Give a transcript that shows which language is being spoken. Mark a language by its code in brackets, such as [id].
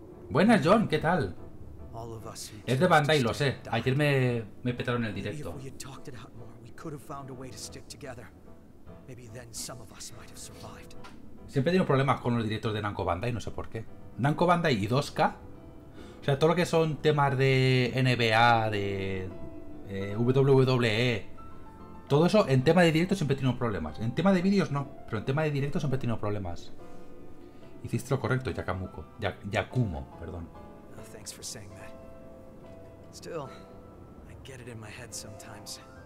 [es] Buenas, John, ¿qué tal? Es de Bandai, lo sé. Ayer me petaron el directo. [en] Could have found a way to stick together. Maybe then some of us might have survived. [es] Siempre tengo problemas con los directos de Namco Bandai, no sé por qué. Namco Bandai y 2K. O sea, todo lo que son temas de NBA, de WWE, todo eso en tema de directo siempre tiene problemas. En tema de vídeos no, pero en tema de directo siempre tiene problemas. Hiciste lo correcto, Yakumo, perdón. [en] No, thanks for saying that. Still, I get it in my head sometimes.